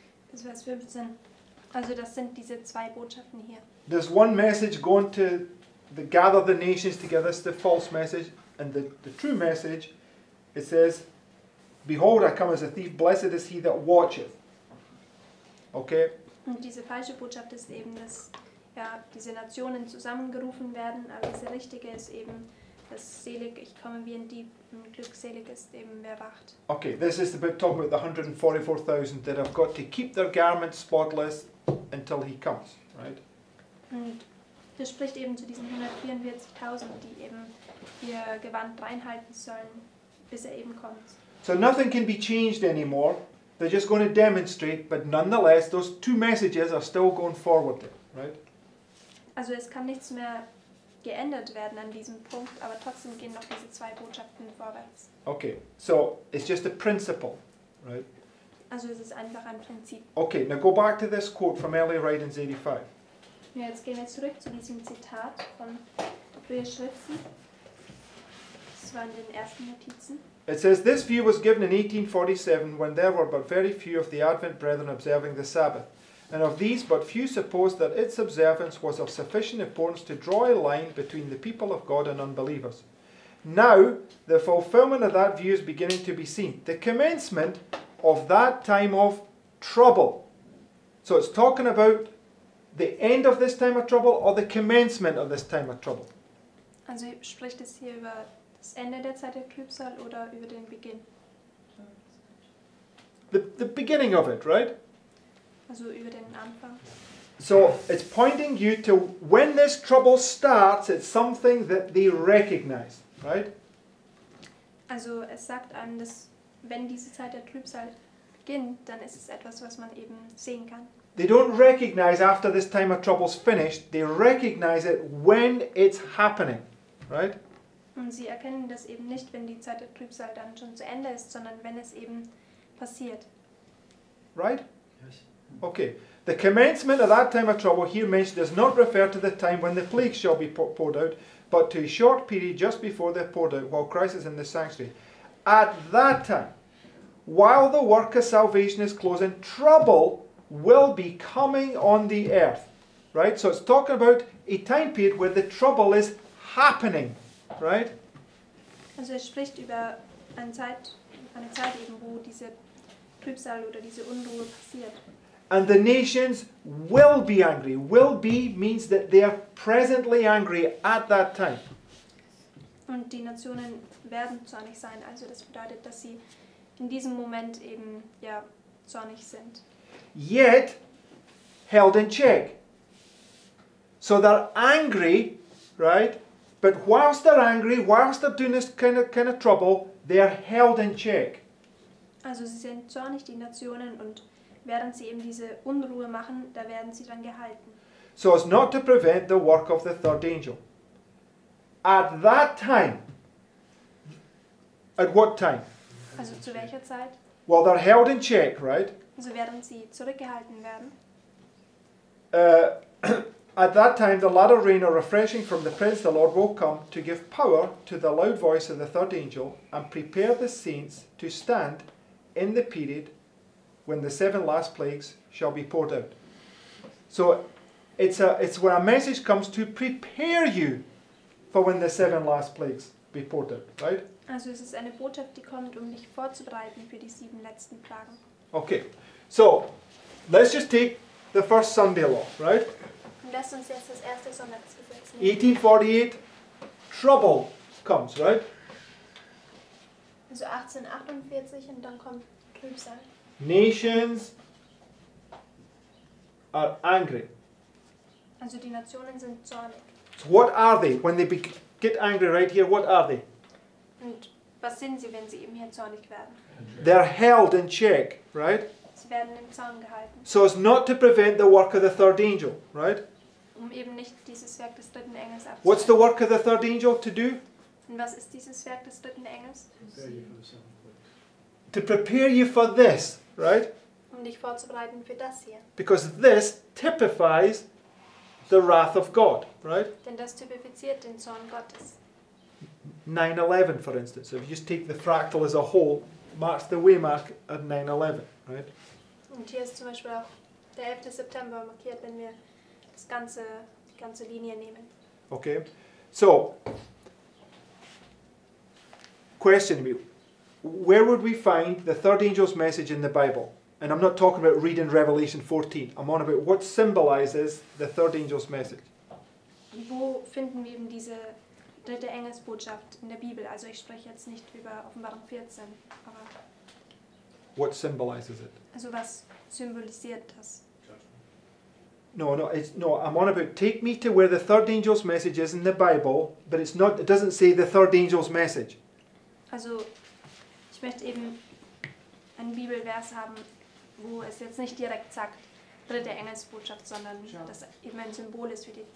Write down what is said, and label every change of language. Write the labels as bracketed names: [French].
[German] Das Vers 15. Also das sind diese zwei Botschaften hier. [English] There's one message going to the gather the nations together, it's the false message, and the true message, it says, behold, I come as a thief, blessed is he that watcheth. Okay? [German] Und diese falsche Botschaft ist eben, dass ja, diese Nationen zusammengerufen werden, aber diese richtige ist eben, dass selig, ich komme wie ein Dieb, und glückselig ist eben, wer wacht. [English] Okay, this is the bit talking about the 144,000 that have got to keep their garments spotless until he comes, right? [German] Und das spricht eben zu diesen 144,000, die eben ihr Gewand reinhalten sollen, bis er eben kommt. [English] So nothing can be changed anymore. They're just going to demonstrate, but nonetheless, those two messages are still going forward there, right? [German] Also es kann nichts mehr geändert werden an diesem Punkt, aber trotzdem gehen noch diese zwei Botschaften vorwärts. [English] Okay, so it's just a principle, right? [German] Also es ist einfach ein Prinzip. [English] Okay, now go back to this quote from early writings 85. [German] Ja, jetzt gehen wir zurück zu diesem Zitat von früher Schriften. Das waren den ersten Notizen. [English] It says, this view was given in 1847 when there were but very few of the Advent brethren observing the Sabbath. And of these, but few supposed that its observance was of sufficient importance to draw a line between the people of God and unbelievers. Now, the fulfillment of that view is beginning to be seen. The commencement of that time of trouble. So it's talking about the end of this time of trouble or the commencement of this time of trouble. [German] Also spricht es hier über das Ende der Zeit der Trübsal oder über den Beginn? [English] The beginning of it, right? [German] Also über den Anfang. [English] So it's pointing you to when this trouble starts, it's something that they recognize, right? [German] Also es sagt einem, dass wenn diese Zeit der Trübsal beginnt, dann ist es etwas, was man eben sehen kann. [English] They don't recognize after this time of trouble's finished, they recognize it when it's happening, right? [German] Und sie erkennen das eben nicht, wenn die Zeit der Trübsal dann schon zu Ende ist, sondern wenn es eben passiert. [English] Right? Yes. Okay, the commencement of that time of trouble here mentioned does not refer to the time when the plague shall be poured out, but to a short period just before they're poured out while Christ is in the sanctuary. At that time, while the work of salvation is closing, trouble will be coming on the earth. Right? So it's talking about a time period where the trouble is happening. Right? [German] Also es spricht über eine Zeit eben, wo diese Trübsal oder diese Unruhe passiert. [English] And the nations will be angry. Will be means that they are presently angry at that time. [German] Und die Nationen werden zornig sein. Also das bedeutet, dass sie in diesem Moment eben ja zornig sind. [English] Yet held in check. So they're angry, right? But whilst they're angry, whilst they're doing this kind of trouble, they're held in check. [German] Also sie sind zornig, die Nationen, und während sie eben diese Unruhe machen, da werden sie dann gehalten. [English] So as not to prevent the work of the third angel. At that time, at what time? [German] Also zu welcher Zeit? [English] Well, they're held in check, right? [German] Also während sie zurückgehalten werden. [English] At that time, the latter rain or refreshing from the Prince, the Lord, will come to give power to the loud voice of the third angel and prepare the saints to stand in the period when the seven last plagues shall be poured out. So it's where a message comes to prepare you for when the seven last plagues be poured out, right? [German] Also es ist eine Botschaft, die kommt, um dich vorzubereiten für die sieben letzten Plagen. [English] Okay, so let's just take the first Sunday law, right? [German] Lass uns jetzt das erste Sonntagsgesetz nehmen. [English] 1848, trouble comes, right? [German] Also 1848 und dann kommt Trübsal. [English] Nations are angry. [German] Also die Nationen sind zornig. [English] So what are they when they get angry right here? What are they? [German] Und was sind sie, wenn sie eben hier zornig werden? [English] They're held in check, right? [German] Sie werden im Zaun gehalten. [English] So as not to prevent the work of the third angel, right? [German] Um eben nicht dieses Werk des dritten Engels abzuhalten. [English] What's the work of the third angel to do? [German] Und was ist dieses Werk des dritten Engels? [English] To prepare you for this, right? [German] Um dich vorzubereiten für das hier. [English] Because this typifies the wrath of God, right? [German] Denn das typifiziert den Zorn Gottes. [English] 9/11, for instance. So if you just take the fractal as a whole, marks the waymark at 9/11, right? [German] Und hier ist zum Beispiel auch der 11. September markiert, wenn wir das ganze, die ganze Linie nehmen. [English] Okay. So, question to me. Where would we find the third angel's message in the Bible? And I'm not talking about reading Revelation 14. I'm on about what symbolizes the third angel's message. [German] Wo finden wir eben diese dritte Engelsbotschaft in der Bibel? Also ich spreche jetzt nicht über Offenbarung 14, aber [English] what symbolizes it? [German] Also was symbolisiert das? [English] No, I'm on about take me to where the third angel's message is in the Bible, but it's not, it doesn't say the third angel's message. [German] Also ich möchte eben einen Bibelvers haben, wo es jetzt nicht direkt sagt, dritte Engelsbotschaft, sondern sure, das eben ein Symbol ist für die.